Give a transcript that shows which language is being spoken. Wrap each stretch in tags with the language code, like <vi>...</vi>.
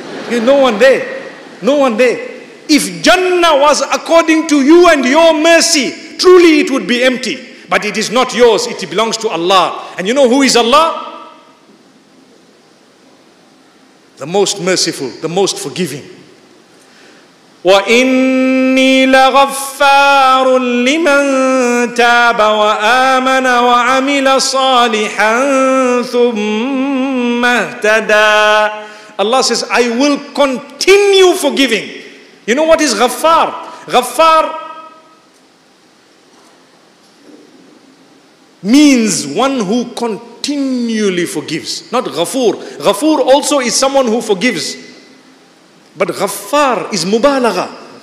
<en>No one there. No one there. If Jannah was according to you and your mercy, truly it would be empty. But it is not yours. It belongs to Allah. And you know who is Allah? The most merciful, the most forgiving.</en> <ar>وإني لغفار لمن تاب وآمن وعمل صالحا ثم اهتدى.</ar> <en>Allah says, I will continue forgiving. You know what is ghaffar? Ghaffar means one who continually forgives. Not ghafoor. Ghafoor also is someone who forgives. But ghaffar is mubalagha.</en>